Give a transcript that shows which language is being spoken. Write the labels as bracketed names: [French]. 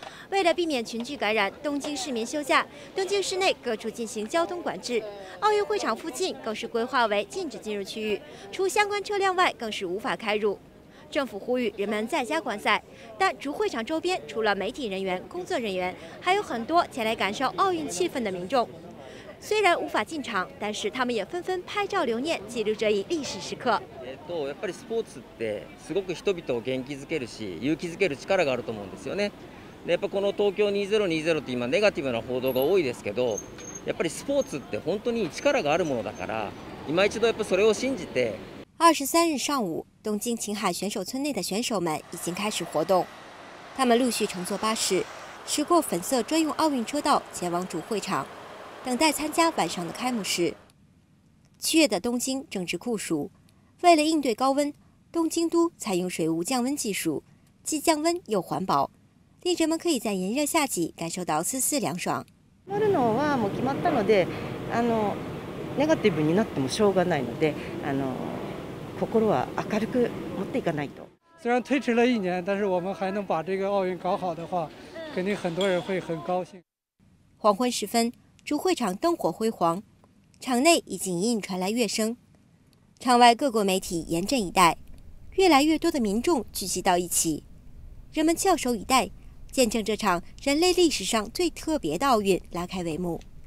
[Chinese] 为了避免群聚感染，东京市民休假，东京市内各处进行交通管制，奥运会场附近更是规划为禁止进入区域，除相关车辆外更是无法开入。政府呼吁人们在家观赛，但主会场周边除了媒体人员、工作人员，还有很多前来感受奥运气氛的民众。虽然无法进场，但是他们也纷纷拍照留念，记录这一历史时刻。 [Japanese] やっぱりスポーツってすごく人々を元気づけるし、勇気づける力があると思うんですよね。やっぱこの東京2020って今ネガティブな報道が多いですけど、やっぱりスポーツって本当に力があるものだから、今一度やっぱそれを信じて。 [Chinese] 23日上午，东京晴海选手村内的选手们已经开始活动，他们陆续乘坐巴士，驶过粉色专用奥运车道，前往主会场，等待参加晚上的开幕式。七月的东京正值酷暑，为了应对高温，东京都采用水雾降温技术，既降温又环保，令人们可以在炎热夏季感受到丝丝凉爽。 [Japanese] 乗るのはもう決まったので、ネガティブになってもしょうがないので、心は明るく持っていかないと。 [Chinese] 虽然推迟了一年，但是我们还能把这个奥运搞好的话，肯定很多人会很高兴。黄昏时分，主会场灯火辉煌，场内已经隐隐传来乐声。场外各国媒体严阵以待，越来越多的民众聚集到一起，人们翘首以待，见证这场人类历史上最特别的奥运拉开帷幕。